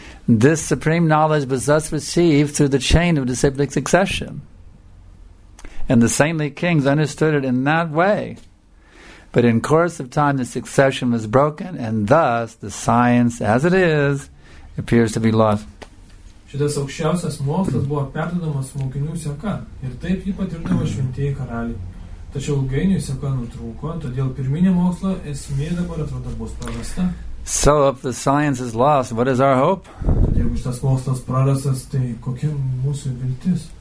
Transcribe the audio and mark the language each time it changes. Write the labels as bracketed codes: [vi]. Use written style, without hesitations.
[en] This supreme knowledge was thus received through the chain of disciplic succession. And the saintly kings understood it in that way. But in course of time, the succession was broken, and thus the science, as it is, appears to be lost. [lt] Šitas aukščiausias mokslas buvo perduodamas mokinių seka, ir taip jį patirdavo šventieji karaliai. Tačiau ilgainiui seka nutrūko, todėl pirminė mokslo esmė dabar atrodo bus prarasta. [en] So if the science is lost, what is our hope? [lt] Jeigu šitas mokslas prarastas, tai kokia mūsų viltis?